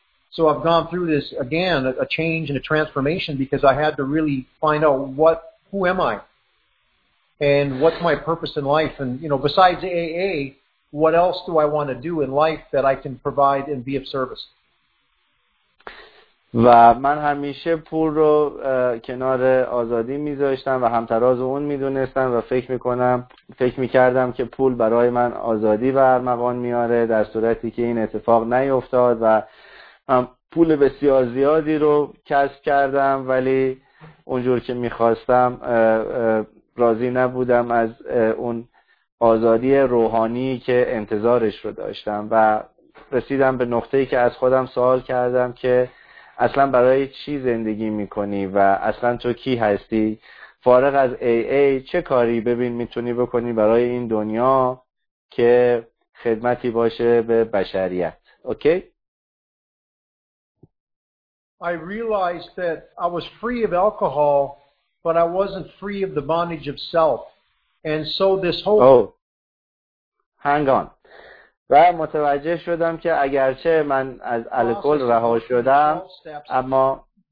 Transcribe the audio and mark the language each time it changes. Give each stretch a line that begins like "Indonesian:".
English: So I've gone through this again, a change and a transformation, because I had to really find out who am I, and what's my purpose in life, and you know, besides AA, what else do I want to do in life that I can provide and be of service?
Persian: و من همیشه پول رو کنار آزادی میذاشتم و همتراز اون میدونستم و فکر میکردم که پول برای من آزادی و ارمغان میاره، در صورتی که این اتفاق نیفتاد و من پول بسیار زیادی رو کسب کردم ولی اونجور که میخواستم راضی نبودم از اون آزادی روحانی که انتظارش رو داشتم و رسیدم به نقطه‌ای که از خودم سوال کردم که اصلا برای چی زندگی میکنی و اصلا تو کی هستی؟ فارغ از AA چه کاری ببین میتونی بکنی برای این دنیا که خدمتی باشه به بشریت؟ اوکی؟
English: I realized that I was free of alcohol but I wasn't free of the bondage of self and so this whole Hang on.
Persian: و متوجه شدم که اگرچه من از الکل رها شدم اما